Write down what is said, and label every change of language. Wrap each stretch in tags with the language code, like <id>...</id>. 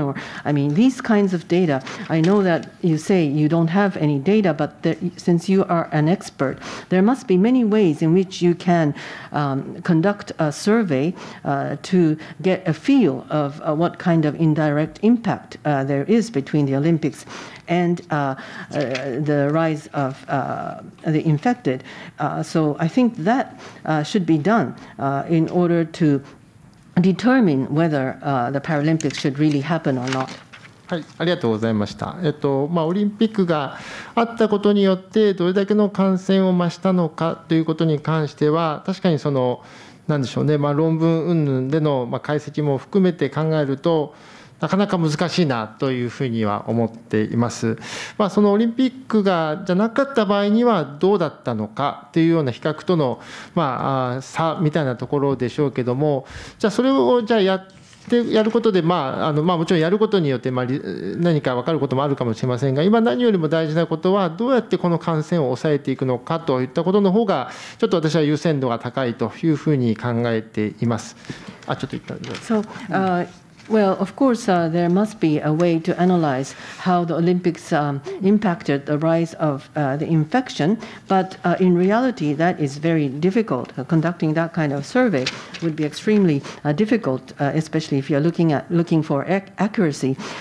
<en>Or I mean, these kinds of data. I know that you say you don't have any data, but since you are an expert, there must be many ways in which you can conduct a survey to get a feel of what kind of indirect impact there is between the Olympics and the rise of the infected. So I think that should be done in order to determine whether the Paralympics should really happen or not.</en> <ja>はい、ありがとうございました。オリンピックがあったことによってどれだけの感染を増したのかということに関しては、確かにその何でしょうね、論文云々での解析も含めて考えると。なかなか難しいなというふうには思っています。そのオリンピックがじゃなかった場合にはどうだったのかというような比較との差みたいなところでしょうけども、じゃあそれをじゃあやることで、もちろんやることによって何か分かることもあるかもしれませんが、今何よりも大事なことはどうやってこの感染を抑えていくのかといったことの方がちょっと私は優先度が高いというふうに考えています。ちょっと一旦。</ja> <en>So, Well, of course, there must be a way to analyze how the Olympics impacted the rise of the infection. But in reality, that is very difficult. Conducting that kind of survey would be extremely difficult, especially if you're looking for accuracy.</en>